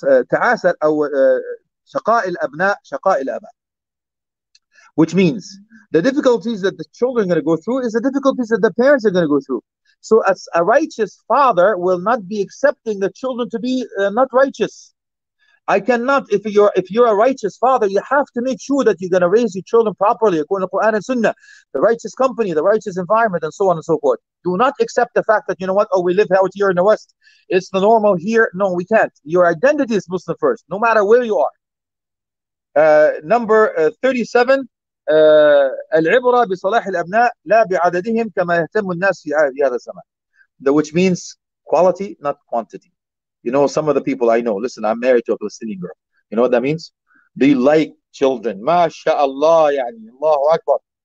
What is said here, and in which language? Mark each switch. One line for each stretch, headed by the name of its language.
Arabic: تعاسى أو شقاء الأبناء شقاء الأباء.
English: Which means the difficulties that the children are going to go through is the difficulties that the parents are going to go through. So as a righteous father will not be accepting the children to be not righteous. I cannot, if you're a righteous father, you have to make sure that you're going to raise your children properly according to Quran and Sunnah, the righteous company, the righteous environment, and so on and so forth. Do not accept the fact that, you know what, oh, we live out here in the West. It's the normal here. No, we can't. Your identity is Muslim first, no matter where you are. Number 37,
Arabic: العبرة بصلاح الأبناء لا بعددهم كما يهتم الناس في هذا الزمان.
English: Which means quality, not quantity. You know, some of the people I know, listen, I'm married to a Palestinian girl. You know what that means? They like children. MashaAllah, yani, Allahu Akbar.